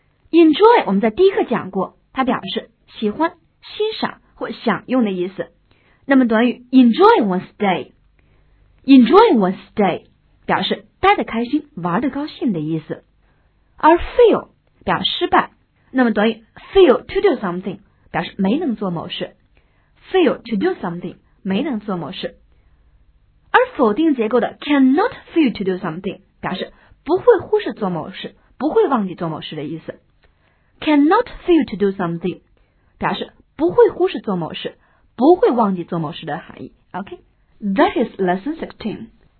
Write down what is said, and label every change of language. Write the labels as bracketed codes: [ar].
[zh] Enjoy 我们在第一课讲过，它表示喜欢、欣赏或享用的意思。那么短语 [en] Enjoy one's day [zh] 表示待得开心、玩得高兴的意思。而 fail 表示失败，那么短语 [en] fail to do something [zh] 表示没能做某事。 [en] fail to do something [zh] 没能做某事。而否定结构的 [en] cannot fail to do something [zh] 表示不会忽视做某事、不会忘记做某事的意思。 [en] cannot fail to do something [zh] 表示不会忽视做某事、不会忘记做某事的含义。 OK。 [en] That is lesson 16.